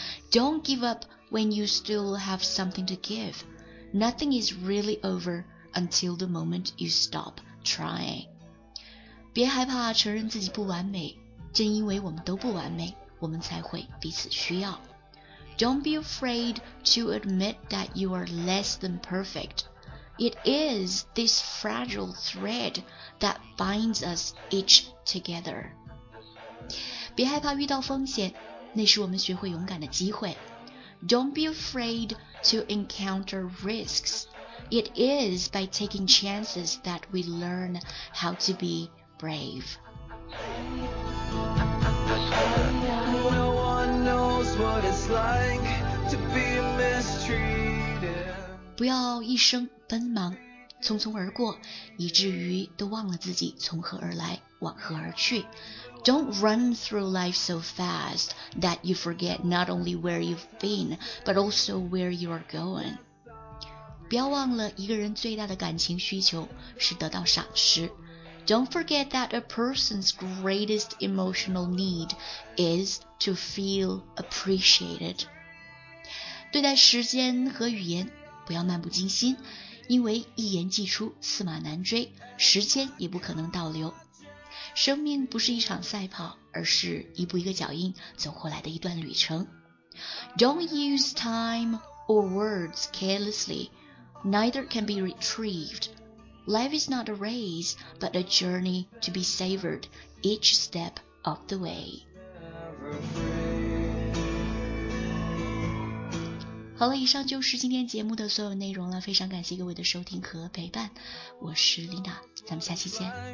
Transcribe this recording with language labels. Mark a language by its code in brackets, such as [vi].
[en] Don't give up when you still have something to give. Nothing is really over until the moment you stop trying. [zh] 别害怕承认自己不完美，正因为我们都不完美，我们才会彼此需要。 [en] Don't be afraid to admit that you are less than perfect. It is this fragile thread that binds us each together. [zh] 别害怕遇到风险，那是我们学会勇敢的机会。 [en] Don't be afraid to encounter risks. It is by taking chances that we learn how to be brave. No one knows what it's like to be mistreated. [zh] 不要一生奔忙，匆匆而过，以至于都忘了自己从何而来，往何而去。 [en] Don't run through life so fast that you forget not only where you've been, but also where you are going. [zh] 不要忘了一个人最大的感情需求是得到赏识。 [en] Don't forget that a person's greatest emotional need is to feel appreciated. [zh] 对待时间和语言不要漫不经心，因为一言既出，驷马难追，时间也不可能倒流。生命不是一场赛跑，而是一步一个脚印走过来的一段旅程。 [en] Don't use time or words carelessly. Neither can be retrieved. Life is not a race, but a journey to be savored each step of the way. [zh] 好了，以上就是今天节目的所有内容了，非常感谢各位的收听和陪伴，我是 Lina， 咱们下期见。